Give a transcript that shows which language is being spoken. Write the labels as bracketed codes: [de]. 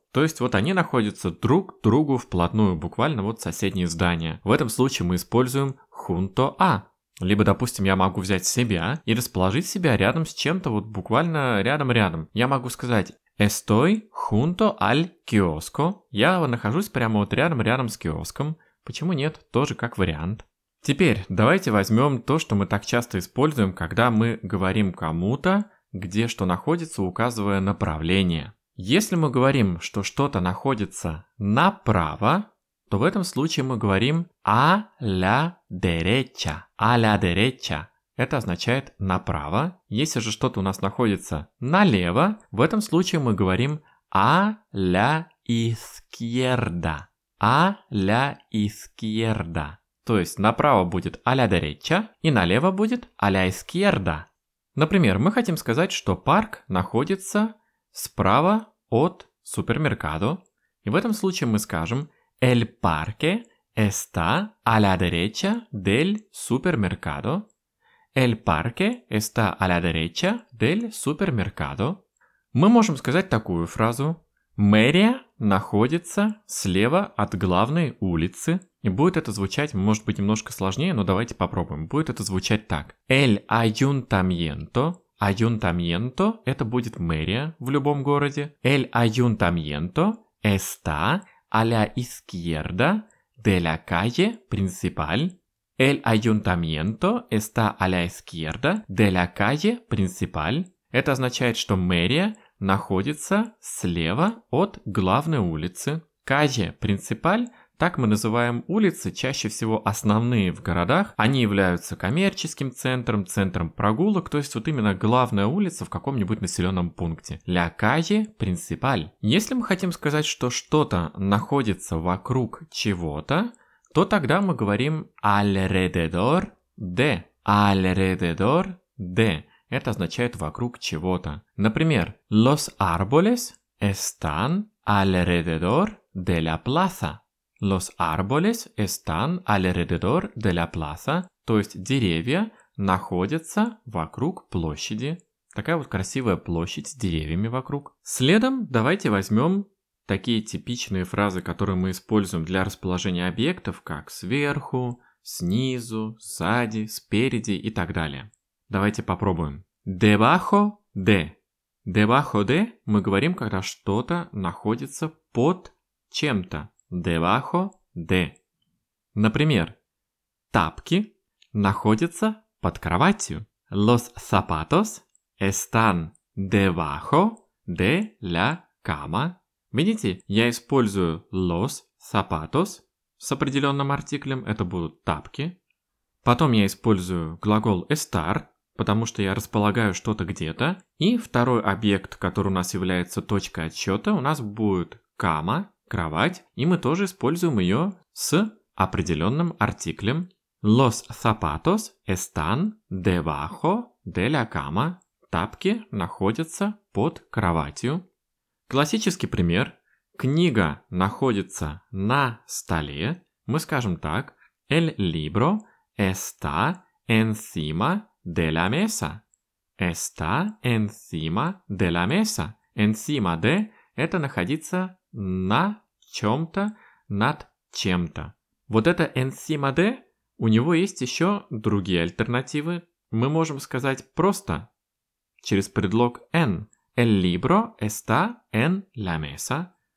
[ru] То есть вот они находятся друг к другу вплотную, буквально вот соседние здания. В этом случае мы используем junto a. Либо, допустим, я могу взять себя и расположить себя рядом с чем-то, вот буквально рядом-рядом. Я могу сказать [es] «Estoy junto al kiosco». [ru] Я нахожусь прямо вот рядом-рядом с киоском. Почему нет? Тоже как вариант. Теперь давайте возьмем то, что мы так часто используем, когда мы говорим кому-то, где что находится, указывая направление. Если мы говорим, что что-то находится направо, то в этом случае мы говорим [es] «a la derecha», [ru] «a la derecha». Это означает «направо». Если же что-то у нас находится налево, в этом случае мы говорим [es] «a la izquierda», [ru] «a la izquierda». То есть направо будет [es] «a la derecha» [ru] и налево будет [es] «a la izquierda». [ru] Например, мы хотим сказать, что парк находится справа от супермеркадо, и в этом случае мы скажем [es] El parque está a la derecha del supermercado. El parque está a la derecha del supermercado. [ru] Мы можем сказать такую фразу. Мэрия находится слева от главной улицы. И будет это звучать, может быть, немножко сложнее, но давайте попробуем. Будет это звучать так. El ayuntamiento. Ayuntamiento – это будет мэрия в любом городе. [es] El ayuntamiento está a la izquierda de la calle principal. El ayuntamiento está a la izquierda de la calle principal. [ru] Это означает, что мэрия находится слева от главной улицы. Calle principal – так мы называем улицы, чаще всего основные в городах. Они являются коммерческим центром, центром прогулок, то есть вот именно главная улица в каком-нибудь населенном пункте. [es] La calle principal. [ru] Если мы хотим сказать, что что-то находится вокруг чего-то, то тогда мы говорим alrededor de. [es] Alrededor de. [ru] Это означает вокруг чего-то. [es] Например, los árboles están alrededor de la plaza. Los árboles están alrededor de la plaza. [ru] То есть деревья находятся вокруг площади. Такая вот красивая площадь с деревьями вокруг. Следом давайте возьмем такие типичные фразы, которые мы используем для расположения объектов, как сверху, снизу, сзади, спереди и так далее. Давайте попробуем. Debajo de. Debajo de мы говорим, когда что-то находится под чем-то. [es] Debajo de. [ru] Например, тапки находятся под кроватью. [es] Los zapatos están debajo de la cama. [ru] Видите, я использую los zapatos с определенным артиклем, это будут тапки. Потом я использую глагол estar, потому что я располагаю что-то где-то. И второй объект, который у нас является точкой отсчета, у нас будет cama, кровать, и мы тоже используем ее с определенным артиклем. Los zapatos están debajo de la cama. Тапки находятся под кроватью. Классический пример. Книга находится на столе. Мы скажем так. [es] El libro está encima de la mesa. Está encima de la mesa. [ru] Encima de – это находиться на чем-то, над чем-то. Вот это encima de, у него есть еще другие альтернативы. Мы можем сказать просто через предлог en. [es] El libro está en la mesa.